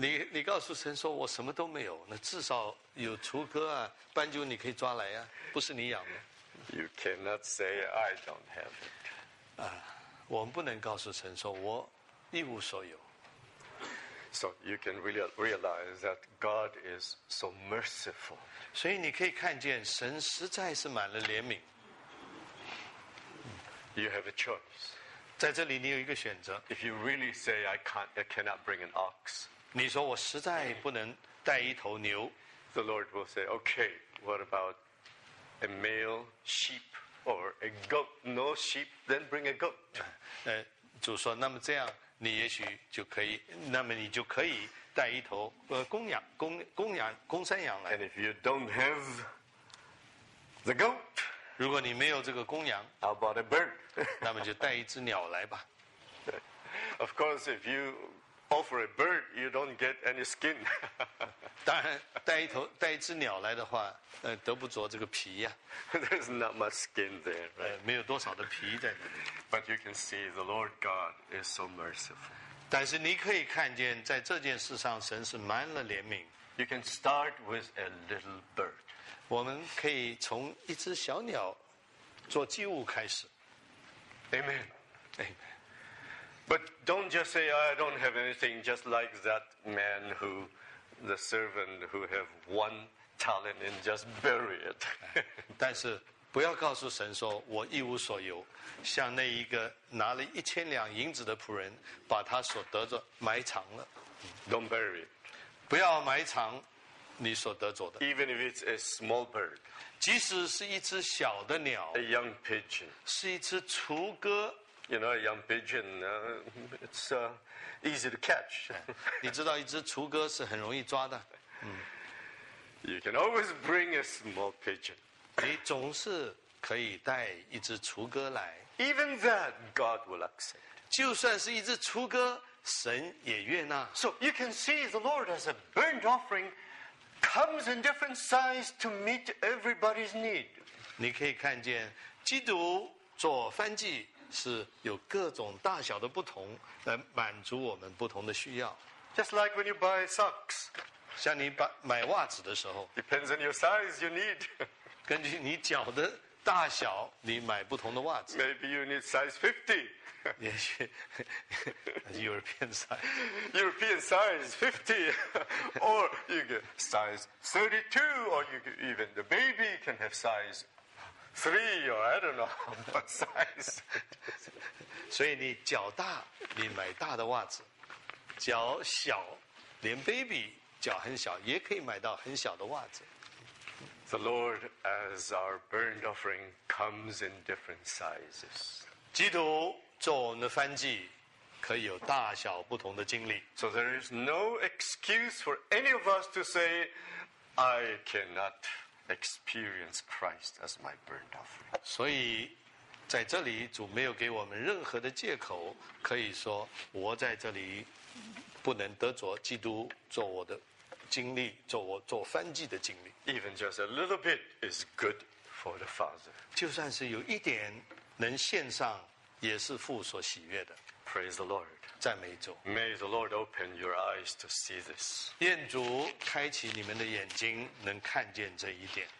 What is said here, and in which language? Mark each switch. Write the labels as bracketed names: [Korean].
[Chinese] 你告诉神说，我什么都没有，那至少有雏鸽啊，斑鸠你可以抓来呀、啊，不是你养的。 [English] You cannot say I don't have it. [Chinese] 我们不能告诉神说我一无所有。 [English] So you can really realize that God is so merciful. [Chinese] 所以你可以看见神实在是满了怜悯。 [English] You have a choice. [Chinese] 在这里你有一个选择。 [English] If you really say I cannot bring an ox, [Chinese] 你说我实在不能带一头牛。 [English] The Lord will say, okay, what about a male sheep or a goat? No sheep, then bring a goat. [Chinese] 主说，那么这样。你也许就可以，那么你就可以带一头公山羊来。 [English] And if you don't have the goat, [Chinese] 如果你没有这个公羊 [English] ，How about a bird? [Chinese] 那么就带一只鸟来吧。 [English] Of course, if you offer a bird, you don't get any skin. [Chinese] 当然，带一只鸟来的话，得不着这个皮呀。 [English] There's not much skin there. [Chinese] 没有多少的皮在那里。 [English] But you can see the Lord God is so merciful. [Chinese] 但是你可以看见，在这件事上，神是满了怜悯。 [English] You can start with a little bird. [Chinese] 我们可以从一只小鸟做祭物开始。 [English] Amen. But don't just say, I don't have anything, just like that man who, the servant who have one talent and just bury it. [Chinese] 但是不要告诉神说我一无所有，像那一个拿了一千两银子的仆人，把他所得着埋藏了。 [English] Don't bury it. [Chinese] 不要埋藏你所得着的。 [English] Even if it's a small bird. [Chinese] 即使是一只小的鸟。 [English] A young pigeon. [Chinese] 是一只雏鸽。 [English] You know, a young pigeon, it's easy to catch. [Chinese] 你知道一只雏鸽是很容易抓的。 [English] You can always bring a small pigeon. [Chinese] 你总是可以带一只雏鸽来。 [English] Even that, God will accept. [Chinese] 就算是一只雏鸽，神也悦纳。 [English] So you can see the Lord as a burnt offering comes in different size to meet everybody's need. [Chinese] 你可以看见基督做燔祭。是有各种大小的不同来满足我们不同的需要。 [English] Just like when you buy socks. [Chinese] 像你买袜子的时候。 [English] Depends on your size you need. [Chinese] 根据你脚的大小你买不同的袜子。 [English] Maybe you need size 50. [Chinese] 也许 [English] European size. European size 50. Or you get size 32. Or you get, even the baby can have size 50. Three or I don't know what size. [Chinese] 所以你脚大，你买大的袜子；脚小，连 baby 脚很小也可以买到很小的袜子。 [English] The Lord, as our burnt offering, comes in different sizes. [Chinese] 基督做我们的燔祭，可以有大小不同的经历。 [English] So there is no excuse for any of us to say, I cannot. Experience Christ as my burnt offering. [Chinese] 所以，在这里主没有给我们任何的借口，可以说我在这里不能得着基督做我的经历，做燔祭的经历。 [English] Even just a little bit is good for the Father. [Chinese] 就算是有一点能献上，也是父所喜悦的。 [English] Praise the Lord. [Chinese] 赞美主。 [English] May the Lord open your eyes to see this. [Chinese] 愿主开启你们的眼睛，能看见这一点。